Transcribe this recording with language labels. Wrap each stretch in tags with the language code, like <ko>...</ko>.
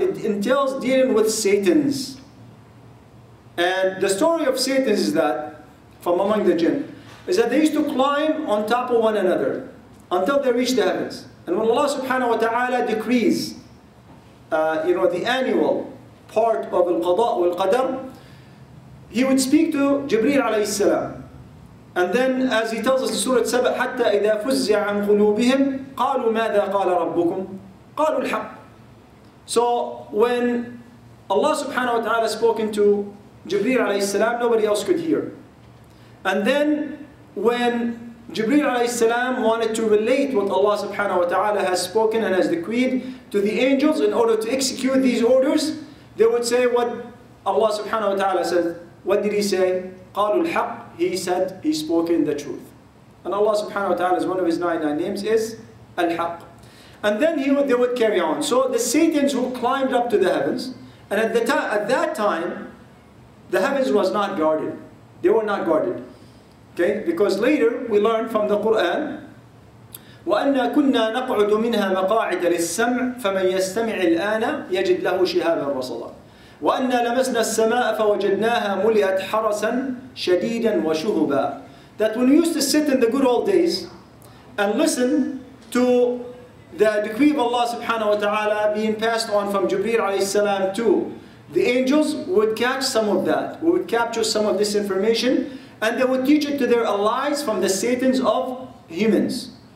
<en>It entails dealing with Satans. And the story of Satans is that, from among the jinn, is that they used to climb on top of one another until they reached the heavens. And when Allah subhanahu wa ta'ala decrees, the annual part of al-qada wal-qadr, he would speak to Jibreel alayhi salam. And then, as he tells us in Surah Sabah,</en> <ar>حتى إذا فزع عن قلوبهم قالوا ماذا قال ربكم قالوا الحق.</ar> <en>So when Allah subhanahu wa ta'ala spoken to Jibreel alayhi salam, nobody else could hear. And then when Jibreel alayhi salam wanted to relate what Allah subhanahu wa ta'ala has spoken and has decreed to the angels in order to execute these orders, they would say what Allah subhanahu wa ta'ala said. What did he say?</en> <ar>قَالُوا الْحَقِّ.</ar> <en>He said, he spoke in the truth. And Allah subhanahu wa ta'ala, is one of his 99 names, is Al-Haq. And then they would carry on. So the Satans who climbed up to the heavens, and at that time, the heavens was not guarded. They were not guarded. Okay? Because later, we learned from the Qur'an,</en> <ar>وَأَنَّا كُنَّا نَقْعُدُ مِنْهَا مَقَاعِدَ لِلسَّمْعِ فَمَنْ يَسْتَمِعِ الْآنَ يَجِدْ لَهُ شِهَابًا رَصَدًا وَأَنَّا لَمَسْنَا السَّمَاءَ فَوَجَدْنَاهَا مُلِئَتْ حَرَسًا شَدِيدًا وَشُهُبًا.</ar> <en>That when we used to sit in the good old days and listen to the decree of Allah subhanahu wa ta'ala being passed on from Jibreel alayhi salam to the angels, would catch some of that. We would capture some of this information and they would teach it to their allies from the satans of humans.</en>